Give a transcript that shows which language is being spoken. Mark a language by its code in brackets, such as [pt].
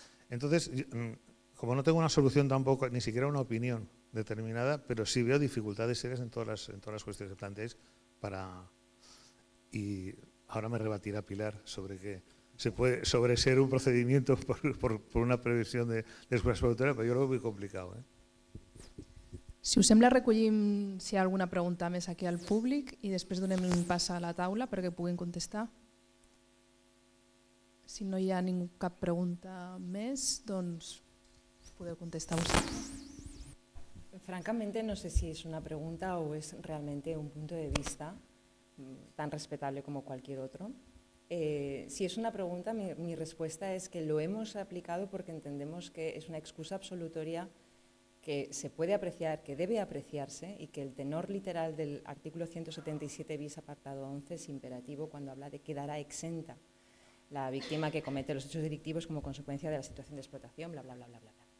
[es] Entonces, como no tengo una solución tampoco, ni siquiera una opinión determinada, pero sí veo dificultades serias en todas las cuestiones que planteáis para... Y ahora me rebatirá Pilar sobre qué... Se puede sobreser un procedimiento por una previsión de excusa absolutoria, pero yo creo que es muy complicado. [ca] Si us sembla, recollim si hi ha alguna pregunta més aquí al públic i després donem un pas a la taula perquè puguin contestar. Si no hi ha cap pregunta més, doncs podeu contestar vostè. Francamente no sé si és una pregunta o és realment un punt de vista tan respectable com qualsevol altre. [es] Si es una pregunta, mi respuesta es que lo hemos aplicado porque entendemos que es una excusa absolutoria que se puede apreciar, que debe apreciarse y que el tenor literal del artículo 177 bis apartado 11 es imperativo cuando habla de quedará exenta la víctima que comete los hechos delictivos como consecuencia de la situación de explotación, bla, bla, bla, bla, bla.